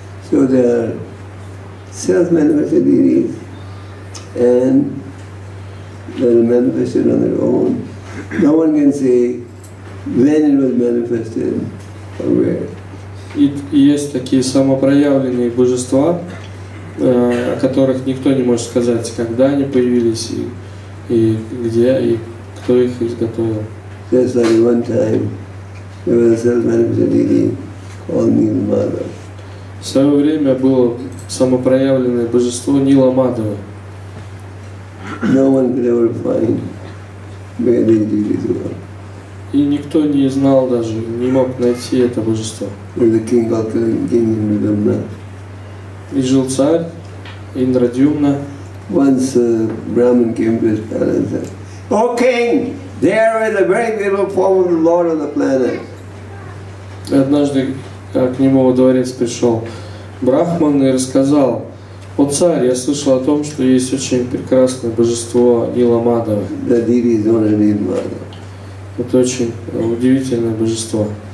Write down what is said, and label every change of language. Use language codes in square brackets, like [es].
[en] So there are self-manifested deities and they are manifested on their own. No one can say when it was manifested or where. [ru] Есть такие самопроявленные божества, о которых никто не может сказать, когда они появились и где, и кто их изготовил. [en] Just like one time there was a self-manifested deity called Nila Madhava. [ru] В свое время было самопроявленное божество Нила Мадхава. [en] No one could ever find where the deities were. [ru] И никто не знал даже, не мог найти это божество. [en] The king called King Indradyumna. [ru] И жил царь Индрадюмна. [en] Once a Brahmin came to his palace and said, "O king, there is a very beautiful form of the Lord on the planet." [ru] Однажды к нему во дворец пришел Брахман и рассказал: «О царь, я слышал о том, что есть очень прекрасное божество Нила Мадхава». Это очень удивительное божество.